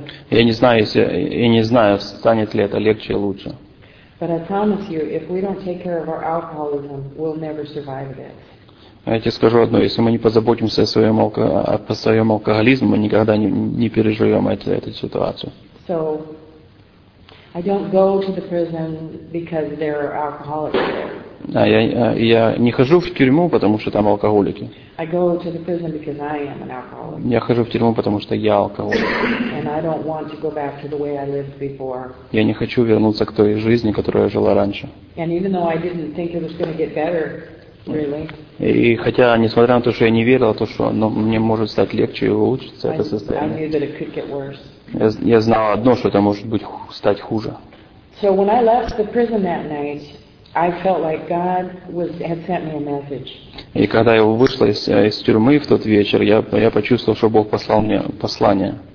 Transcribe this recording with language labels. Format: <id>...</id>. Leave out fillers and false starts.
<ru>Я не знаю, станет ли это легче или лучше.</ru> <en>But I promise you, if we don't take care of our alcoholism, we'll never survive this.</en> <ru>Я тебе скажу одно, если мы не позаботимся о своем алкоголизме, мы никогда не переживем эту ситуацию.</ru> <en>So I don't go to the prison because there are alcoholics there.</en> <ru>Я не хожу в тюрьму, потому что там алкоголики.</ru> <en>I go to the prison because I am an alcoholic.</en> <ru>Я хожу в тюрьму, потому что я алкоголик.</ru> <en>And I don't want to go back to the way I lived before.</en> <ru>Я не хочу вернуться к той жизни, которую я жила раньше.</ru> <en>And even though I didn't think it was going to get better, really.</en> <ru>И хотя, несмотря на то, что я не верила, то что, мне может стать легче и улучшиться это состояние.</ru> <en>I knew that it could get worse.</en> <ru>Я знал одно, что это может быть стать хуже.</ru> <en>So when I left the prison that night, I felt like God had sent me a message.</en> <ru>И когда я вышла из тюрьмы в тот вечер, я почувствовал, что Бог послал мне послание.</ru>